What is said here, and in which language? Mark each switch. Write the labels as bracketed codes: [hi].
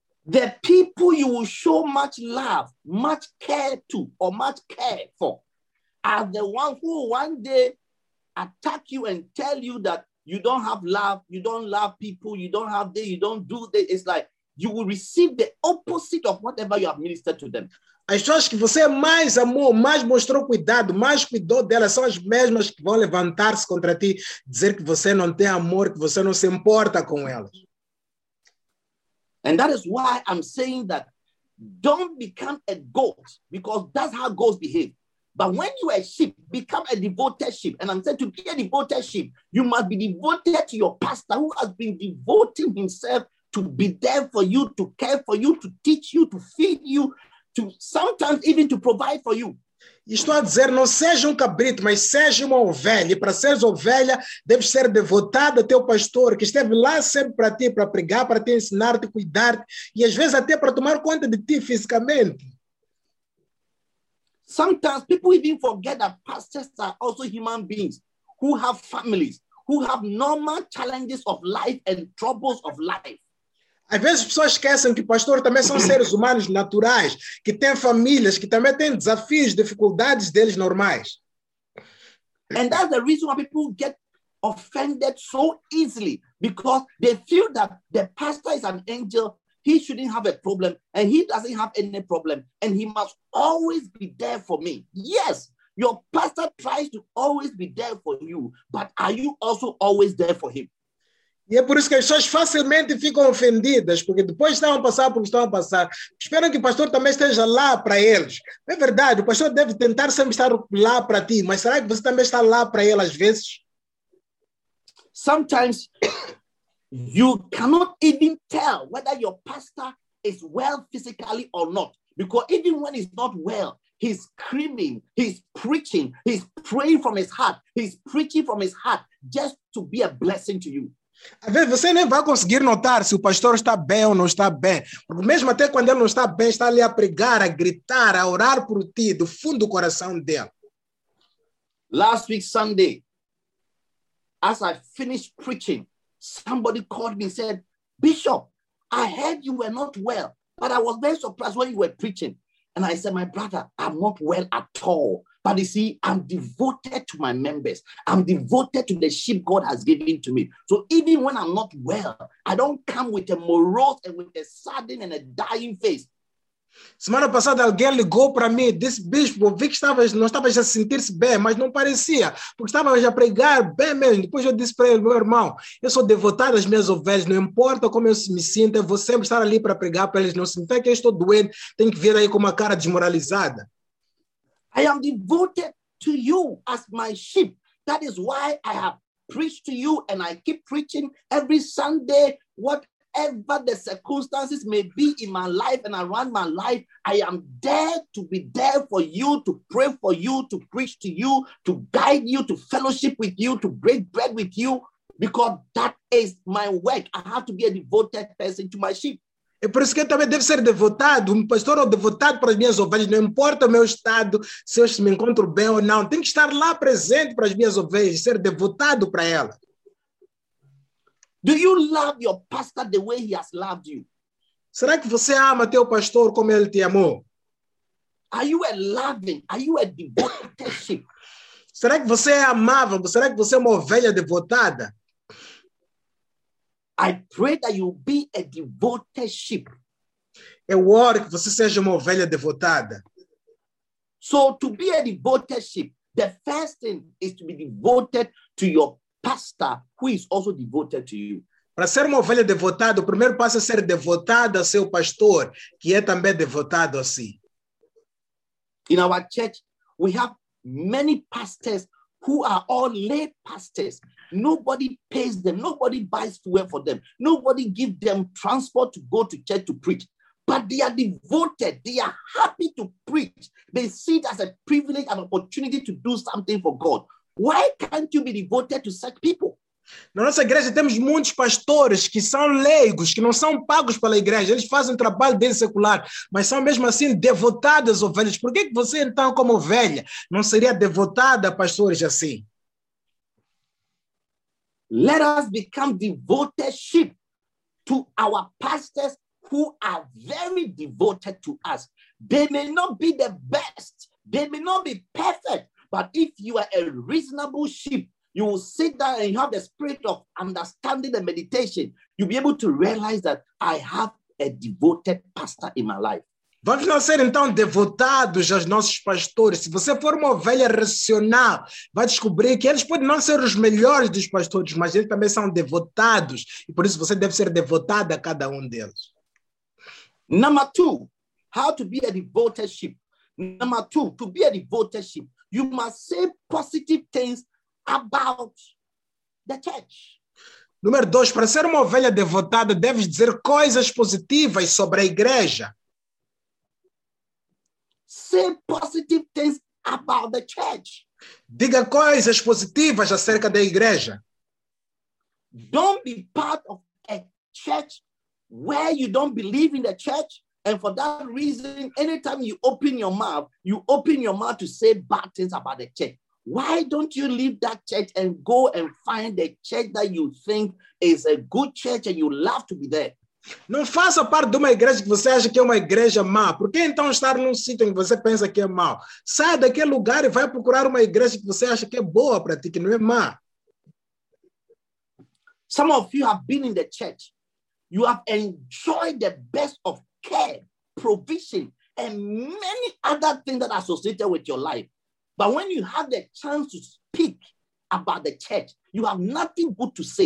[en] The people you will show much love, much care to, or much care for, are the ones who one day attack you and tell you that you don't have love, you don't love people, you don't have this, you don't do this. It's like you will receive the opposite of whatever you have ministered to them. [pt] As pessoas que você mais amou, mais mostrou cuidado, mais cuidou delas, são as mesmas que vão levantar-se contra ti, dizer que você não tem amor, que você não se importa com elas. [en] And that is why I'm saying that don't become a goat, because that's how goats behave. But when you are a sheep, become a devoted sheep. And I'm saying to be a devoted sheep, you must be devoted to your pastor who has been devoting himself to be there for you, to care for you, to teach you, to feed you, to sometimes even to provide for you. [pt] Estou a dizer, não seja um cabrito, mas seja uma ovelha. E para seres ovelha, deves ser devotado ao teu pastor, que esteve lá sempre para ti, para pregar, para te ensinar, te cuidar, e às vezes até para tomar conta de ti fisicamente. [en] Sometimes people even forget that pastors are also human beings who have families, who have normal challenges of life and troubles of life. [pt] Às vezes as pessoas esquecem que pastores também são seres humanos naturais, que têm famílias, que também têm desafios, dificuldades deles normais. [en] And that's the reason why people get offended so easily, because they feel that the pastor is an angel, he shouldn't have a problem, and he doesn't have any problem, and he must always be there for me. Yes, your pastor tries to always be there for you, but are you also always there for him? [pt] E é por isso que as pessoas facilmente ficam ofendidas, porque depois estão a passar porque estão a passar. Esperam que o pastor também esteja lá para eles. É verdade, o pastor deve tentar sempre estar lá para ti, mas será que você também está lá para ele às vezes? [en] Sometimes you cannot even tell whether your pastor is well physically or not, because even when he's not well, he's screaming, he's preaching, he's praying from his heart, he's preaching from his heart just to be a blessing to you. [pt] Às vezes você nem vai conseguir notar se o pastor está bem ou não está bem. Porque mesmo até quando ele não está bem, está ali a pregar, a gritar, a orar por ti, do fundo do coração dele. [en] Last week, Sunday, as I finished preaching, somebody called me and said, Bishop, I heard you were not well, but I was very surprised when you were preaching. And I said, my brother, I'm not well at all. But you see, I'm devoted to my members. I'm devoted to the sheep God has given to me. So even when I'm not well, I don't come with a morose and with a sudden and a dying face. [pt] Semana passada, alguém ligou para mim, disse, Bispo, vi que estava, não estava a sentir-se bem, mas não parecia, porque estava a pregar bem mesmo. Depois eu disse para ele, meu irmão, eu sou devotado às minhas ovelhas, não importa como eu me sinto, eu vou sempre estar ali para pregar para eles. Não se me que eu estou doente, tenho que vir aí com uma cara desmoralizada. [en] I am devoted to you as my sheep. That is why I have preached to you and I keep preaching every Sunday. Whatever the circumstances may be in my life and around my life, I am there to be there for you, to pray for you, to preach to you, to guide you, to fellowship with you, to break bread with you, because that is my work. I have to be a devoted person to my sheep. [pt] É por isso que eu também devo ser devotado, um pastor ou devotado para as minhas ovelhas, não importa o meu estado, se eu me encontro bem ou não, tenho que estar lá presente para as minhas ovelhas, ser devotado para elas. [en] Do you love your pastor the way he has loved you? [pt] Será que você ama teu pastor como ele te amou? [en] Are you a loving? Are you a devoted sheep? [pt] Será que você é amável? Será que você é uma ovelha devotada? [en] I pray that you be a devoted sheep. [pt] Eu oro que você seja uma ovelha devotada. [en] So to be a devoted sheep, the first thing is to be devoted to your pastor, who is also devoted to you. [pt] Para ser uma ovelha devotada, o primeiro passo é ser devotado ao seu pastor, que é também devotado a si. [en] In our church, we have many pastors who are all lay pastors. Nobody pays them. Nobody buys fuel for them. Nobody gives them transport to go to church to preach. But they are devoted. They are happy to preach. They see it as a privilege and opportunity to do something for God. Why can't you be devoted to such people? [pt] Na nossa igreja temos muitos pastores que são leigos, que não são pagos pela igreja. Eles fazem um trabalho bem secular, mas são mesmo assim devotadas ovelhas. Por que você então, como ovelha, não seria devotada a pastores assim? [en] Let us become devoted sheep to our pastors who are very devoted to us. They may not be the best, they may not be perfect, but if you are a reasonable sheep, you will sit down and you have the spirit of understanding and meditation. You'll be able to realize that I have a devoted pastor in my life. [pt] Vamos não ser então devotados aos nossos pastores. Se você for uma ovelha racional, vai descobrir que eles podem não ser os melhores dos pastores, mas eles também são devotados. E por isso você deve ser devotado a cada deles. [en] Number two, how to be a devoted sheep. Number two, to be a devoted sheep, you must say positive things about the church. [pt] Número dois, para ser uma ovelha devotada, deves dizer coisas positivas sobre a igreja. [en] Say positive things about the church. [pt] Diga coisas positivas acerca da igreja. [en] Don't be part of a church where you don't believe in the church, and for that reason, anytime you open your mouth, you open your mouth to say bad things about the church. Why don't you leave that church and go and find the church that you think is a good church and you love to be there? [pt] Não faça parte de uma igreja que você acha que é uma igreja má. Por que então estar num sítio em que você pensa que é mau? Saia daquele lugar e vai procurar uma igreja que você acha que é boa para ti, que não é má. [en] Some of you have been in the church. You have enjoyed the best of care, provision, and many other things that are associated with your life. But when you have the chance to speak about the church, you have nothing good to say.